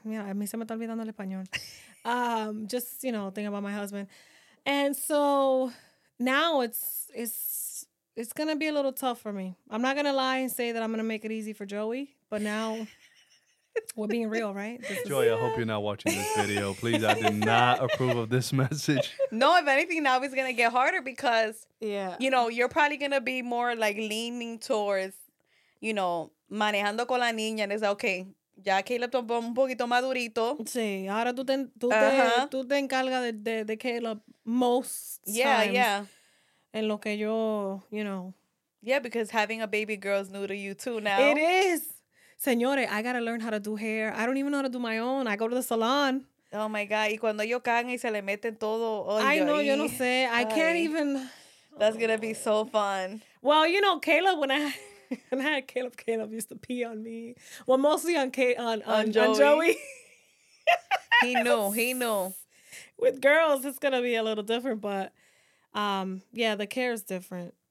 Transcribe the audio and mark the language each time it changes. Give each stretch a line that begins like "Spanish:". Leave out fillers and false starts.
Spanish: Yeah, a mí se me está olvidando el español.
English: Just, you know, thinking about my husband. And so now it's going to be a little tough for me. I'm not going to lie and say that I'm going to make it easy for Joey, but now we're being real, right? I hope you're not watching this video. Please, I do not approve of this message. No, if anything, now it's going to get harder because, you know, you're probably going to be more like leaning towards, you know,
Spanish: manejando con la niña
English: and it's like, okay,
Spanish: ya Caleb tomó un poquito madurito. Sí, ahora tú te encargas de Caleb
English: most times. Yeah, yeah.
Spanish: En lo que yo,
English: you know. Yeah, because having a baby girl is new to you too now. It is. Señores, I got to learn how to do hair. I don't even know how to do my own. I go to the salon. Oh, my God.
Spanish: Y cuando ellos caen y se le meten todo.
English: I know,
Spanish: yo no sé.
English: I can't even. That's going to be so fun. Well, you know, Caleb, when I had Caleb used to pee on me. Well, mostly on Joey. He knew. With girls, it's going to be a little different, but. Yeah, the care is different.